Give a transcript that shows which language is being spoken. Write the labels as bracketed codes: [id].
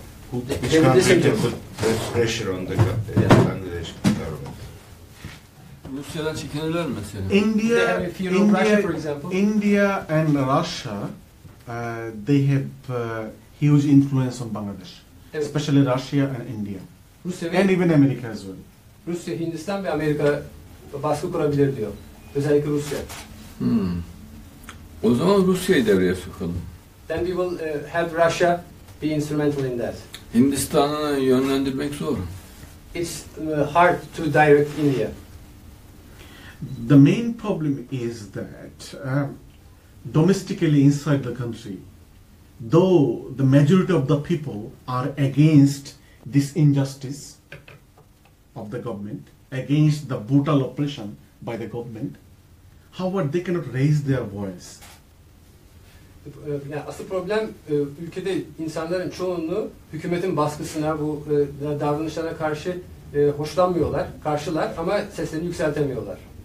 [en] Which country can put pressure on the Bangladesh government? [tr] Rusya'dan çekinirler mesela. [en] India, Russia, for example. India and Russia they have huge influence on Bangladesh, evet. Especially Russia and India, [tr] Rusya ve [en] and even America as well. [tr] Rusya, Hindistan ve Amerika baskı kurabilir diyor, özellikle Rusya. O zaman Rusya'yı devreye sokalım. [en] Then we will have Russia be instrumental in that. [tr] Hindistan'ı yönlendirmek zor. [en] It's hard to direct India. The main problem is that domestically inside the country, though the majority of the people are against this injustice of the government, against the brutal oppression by the government, however, they cannot raise their voice. [tr] Yani asıl problem ülkede insanların çoğunluğu hükümetin baskısına, bu davranışlara karşı hoşlanmıyorlar, karşılar ama seslerini yükseltemiyorlar.